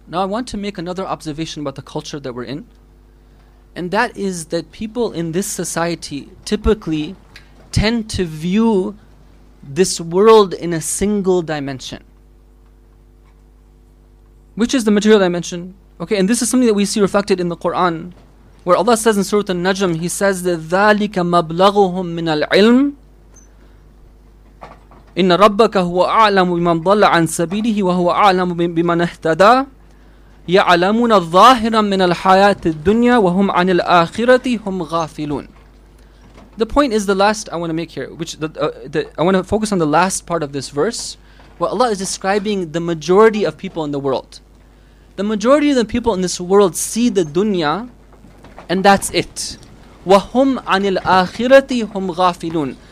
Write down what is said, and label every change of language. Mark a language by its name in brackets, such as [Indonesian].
[English] Now, I want to make another observation about the culture that we're in. And that is that people in this society typically tend to view this world in a single dimension. Which is the material dimension? Okay, and this is something that we see reflected in the Quran, where Allah says in Surah An-Najm, He says that [Arabic] ذَلِكَ مَبْلَغُهُمْ مِنَ الْعِلْمِ إِنَّ رَبَّكَ هُوَ أَعْلَمُ بِمَنْ ضَلَّ عَنْ سَبِيلِهِ وَهُوَ أَعْلَمُ بِمَنْ اهْتَدَى يَعْلَمُونَ ظَاهِرًا مِنَ الْحَيَاةِ الدُّنْيَا وَهُمْ عَنِ الْآخِرَةِ هُمْ غَافِلُونَ. [English] The point is the last I want to make here, which I want to focus on the last part of this verse, where Allah is describing the majority of people in the world. The majority of the people in this world see the dunya, and that's it. [Arabic] وَهُمْ عَنِ الْآخِرَةِ هُمْ غَافِلُونَ.